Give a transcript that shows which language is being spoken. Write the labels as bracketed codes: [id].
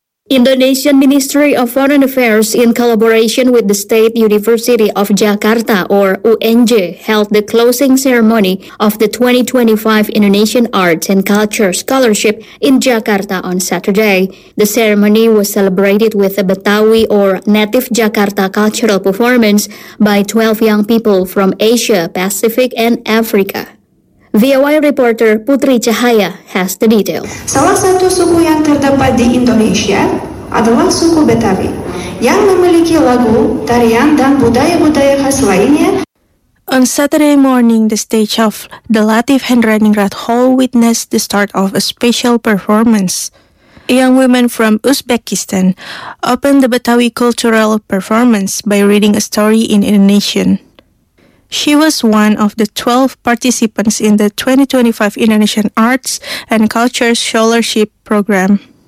[en] Indonesian Ministry of Foreign Affairs, in collaboration with the State University of Jakarta, or UNJ, held the closing ceremony of the 2025 Indonesian Arts and Culture Scholarship in Jakarta on Saturday. The ceremony was celebrated with a Betawi, or Native Jakarta, cultural performance by 12 young people from Asia, Pacific, and Africa. VOI reporter Putri Cahaya has the detail. [id] Salah satu suku yang terdapat di Indonesia adalah suku Betawi, yang memiliki lagu, tarian, dan budaya-budaya khas lainnya. [en] On Saturday morning, the stage of the Latif Handwriting Rat Hall witnessed the start of a special performance. A young woman from Uzbekistan opened the Betawi cultural performance by reading a story in Indonesian. She was one of the 12 participants in the 2025 Indonesian Arts and Culture Scholarship Program.